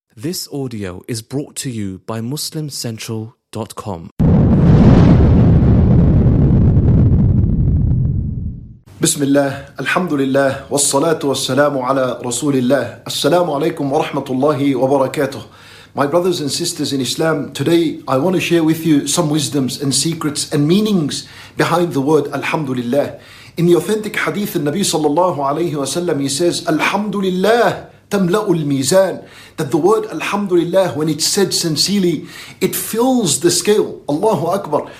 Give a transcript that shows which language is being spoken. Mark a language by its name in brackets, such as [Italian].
[English] This audio is brought to you by MuslimCentral.com. [Arabic] بسم الله الحمد لله والصلاة والسلام على رسول الله السلام عليكم ورحمة الله وبركاته. [English] My brothers and sisters in Islam, today I want to share with you some wisdoms and secrets and meanings behind the word Alhamdulillah. In the authentic hadith, the Nabi sallallahu alayhi wa sallam, he says, [Arabic] Alhamdulillah tamla'u al-mizan. [English] That the word Alhamdulillah, when it's said sincerely, it fills the scale. Allahu Akbar.